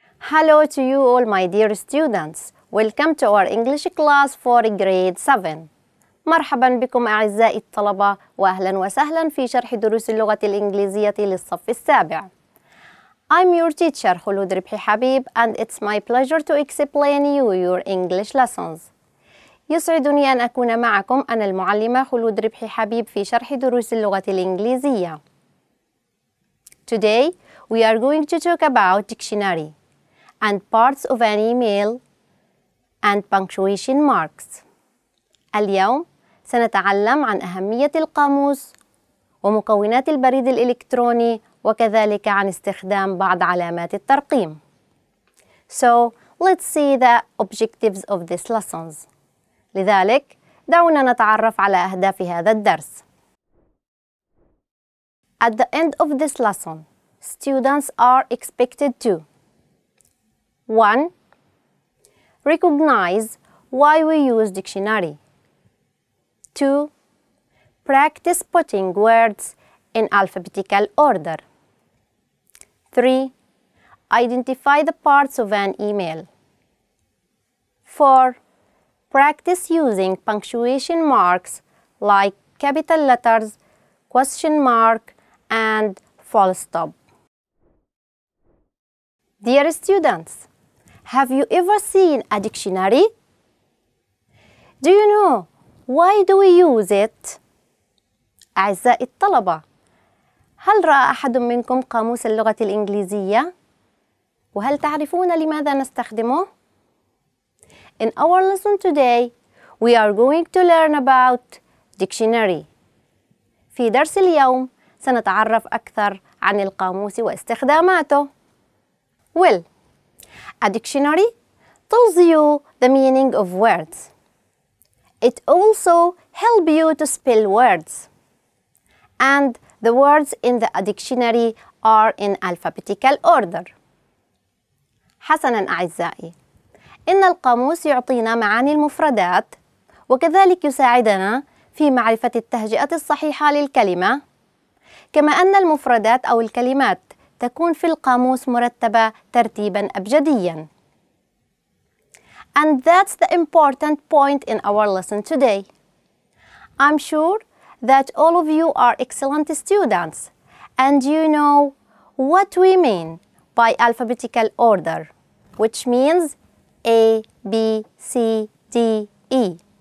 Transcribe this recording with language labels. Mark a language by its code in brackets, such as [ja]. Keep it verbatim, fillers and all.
[en] Hello to you all, my dear students. Welcome to our English class for grade seven. [ar] مرحبا بكم أعزائي الطلبة وأهلا وسهلا في شرح دروس اللغة الإنجليزية للصف السابع. [en] I'm your teacher Khulood Rabhi Habib and it's my pleasure to explain you your English lessons. [ar] يسعدني أن أكون معكم أنا المعلمة خلود ربحي حبيب في شرح دروس اللغة الإنجليزية. [en] Today we are going to talk about dictionary and parts of an email and punctuation marks. [ar] اليوم سنتعلم عن أهمية القاموس ومكونات البريد الإلكتروني وكذلك عن استخدام بعض علامات الترقيم. [en] So let's see the objectives of these lessons. [ar] لذلك دعونا نتعرف على أهداف هذا الدرس. [en] At the end of this lesson, students are expected to one. Recognize why we use dictionary. two. Practice putting words in alphabetical order. three. Identify the parts of an email. four. Practice using punctuation marks like capital letters, question mark, and full stop. Dear students, have you ever seen a dictionary? Do you know why do we use it? [ar] أعزائي الطلبة، هل رأى أحد منكم قاموس اللغة الإنجليزية؟ وهل تعرفون لماذا نستخدمه؟ [en] In our lesson today, we are going to learn about dictionary. [ar] في درس اليوم سنتعرف أكثر عن القاموس واستخداماته. [en] Well, a dictionary tells you the meaning of words. It also helps you to spell words. And the words in the dictionary are in alphabetical order. [ar] حسناً أعزائي، إن القاموس يعطينا معاني المفردات وكذلك يساعدنا في معرفة التهجئة الصحيحة للكلمة، كما أن المفردات أو الكلمات تكون في القاموس مرتبة ترتيباً أبجدياً. [en] And that's the important point in our lesson today. I'm sure that all of you are excellent students and you know what we mean by alphabetical order, which means A, B, C, D, E.